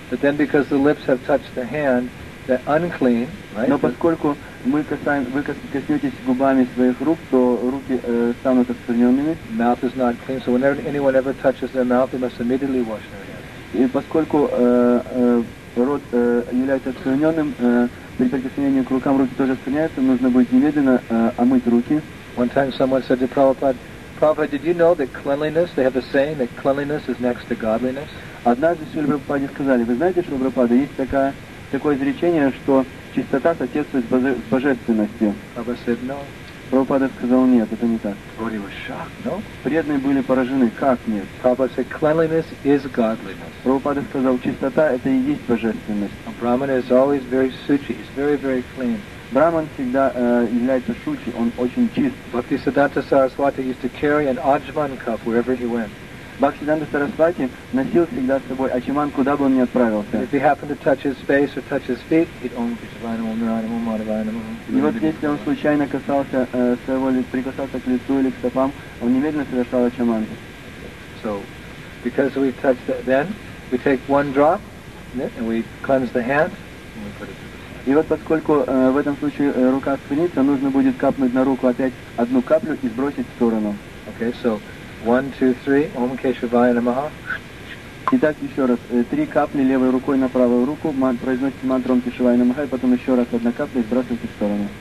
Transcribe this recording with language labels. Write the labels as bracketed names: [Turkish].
[English] But then, because the lips have touched the hand, they're unclean, right? [Russian] Но поскольку вы коснетесь губами своих рук, то руки станут оскверненными. [English] Mouth is not clean, so whenever anyone ever touches their mouth, they must immediately wash their hands. [Russian] И поскольку рот является оскверненным, при прикосновении к рукам руки тоже оскверняются, нужно будет немедленно омыть руки. [English] One time someone said to Prabhupada, Prabhupada, did you know that cleanliness, they have a saying that cleanliness is next to godliness? [Russian] Однажды Шрила Прабхупаде сказали, вы знаете, Шрила Прабхупада, есть такое изречение, что чистота соответствует с божественностью. [English] Prabhupada said no. [Russian] Прабхупада сказал, нет, это не так. [English] Devotees were shocked, no? [Russian] Преданные были поражены, как нет? [English] Prabhupada said, cleanliness is godliness. [Russian] Прабхупада сказал, чистота это и есть божественность. [English] A Brahman is always very suci, he's very, very clean. [Russian] Браман всегда является шучи, он очень чист. [English] Bhaktisiddhanta Saraswati used to carry an ajman cup wherever he went. [Russian] Бхактисиддханта Сарасвати носил всегда с собой ачиман, куда бы он ни отправился. [English] If he happened to touch his face or touch his feet, he'd [Sanskrit] Om Keshavaya Namaha, Madhavaya Namaha. [Russian] И вот если он случайно касался своего лица, прикасался к лицу или к стопам, он немедленно совершал ачиман. [English] So, because we touch that, then we take one drop and we cleanse the hand and we put it through. [Russian] И вот поскольку в этом случае рука оскверняется, нужно будет капнуть на руку опять одну каплю и сбросить в сторону. [English] Okay, so. 1, 2, 3, [Sanskrit] Om Keshavaya Namaha. [Russian] Итак, еще раз, три капли левой рукой на правую руку, произносите мантру [Sanskrit] Om Keshavaya Namaha, [Russian] и потом еще раз одна капля и сбрасывайте в сторону.